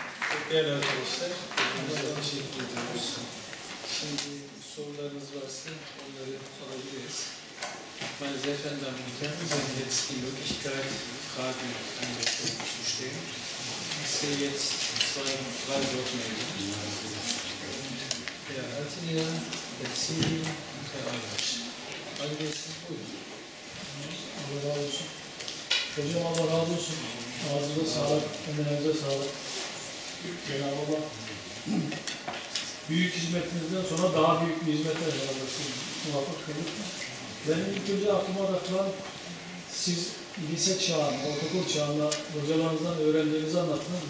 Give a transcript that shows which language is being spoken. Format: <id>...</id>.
<tr>Çok değerli arkadaşlar. Çok teşekkür ediyoruz. Şimdi sorularınız varsa onları alabiliriz.</tr> <de>Meine sehr verehrten Damen und Herren, Sie haben jetzt die Möglichkeit, Fragen an der Stelle zu stellen. Ich sehe jetzt zwei Fragewortmeldungen. Herr Altinger, Herr Zini und Herr Arnasch. Beide sind gut. Ja, aber da ist es.</de> <tr>Hocam Allah razı olsun. Ağzınıza sağlık, emrinize sağlık. Cenab-ı Allah. Büyük hizmetinizden sonra daha büyük bir hizmete muvaffak kılın. Benim ilk önce aklıma takılan, siz lise çağında, ortaokul çağında hocalarınızdan öğrendiğinizi anlattınız.</tr>